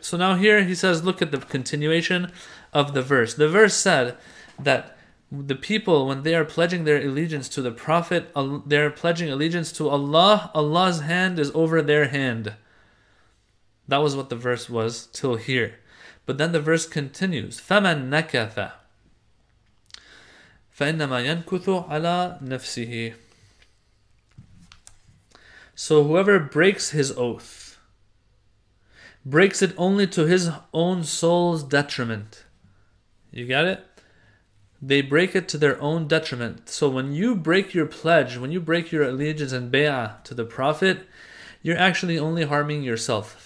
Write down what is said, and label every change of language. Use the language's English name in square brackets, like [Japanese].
[English] So now here he says, look at the continuation of the verse. The verse said that the people, when they are pledging their allegiance to the Prophet, they're pledging allegiance to Allah, Allah's hand is over their hand. That was what the verse was till here. But then the verse continues, [Arabic] فَمَن نَكَثَ فَإِنَّمَا يَنْكُثُ عَلَى نَفْسِهِ. [English] So whoever breaks his oath, breaks it only to his own soul's detriment. You got it? They break it to their own detriment. So when you break your pledge, when you break your allegiance and bay'ah to the Prophet, you're actually only harming yourself.